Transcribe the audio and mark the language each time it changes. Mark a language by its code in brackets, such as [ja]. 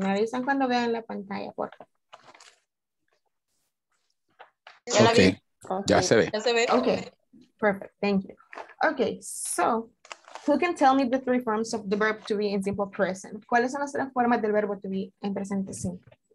[es] Me avisan cuando vean la pantalla, por favor. Okay. Ya se ve. [en] Okay. Perfect. Thank you. Okay, so who can tell me the three forms of the verb to be in simple present? [es] ¿Cuáles son las tres formas del verbo to be en presente simple?